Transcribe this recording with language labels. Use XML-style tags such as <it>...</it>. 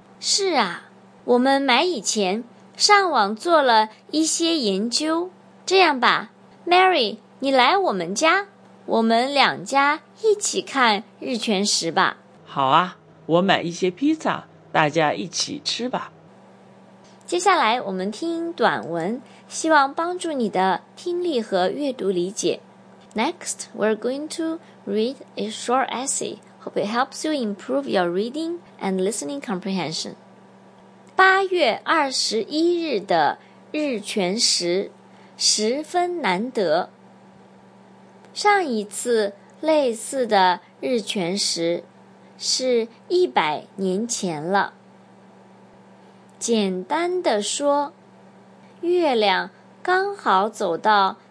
<zh>是啊，我们买以前上网做了一些研究，这样吧 ，Mary， 你来我们家，我们两家一起看日全食吧。好啊，我买一些披萨，大家一起吃吧。接下来我们听短文，希望帮助你的听力和阅读理解。</zh> <en>Next, we're going to read a short essay. Hope it helps you improve your reading and listening comprehension.</en> <zh>八月二十一日的日全食，十分难得。上一次类似的日全食是100年前了。简单的说，月亮刚好走到</zh>